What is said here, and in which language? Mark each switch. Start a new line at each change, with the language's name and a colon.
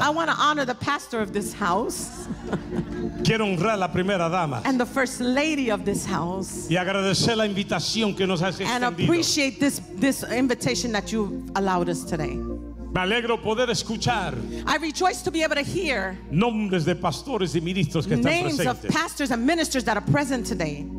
English: I want to honor the pastor of this house.
Spanish: Quiero honrar la primera dama.
English: And the first lady of this house.
Spanish: Y agradecer la invitación que nos has extendido.
English: And appreciate this invitation that you allowed us today.
Spanish: Me alegro poder escuchar.
English: I rejoice to be able to hear.
Spanish: Nombres de pastores y ministros que están presentes.
English: Names of pastors and ministers that are present today.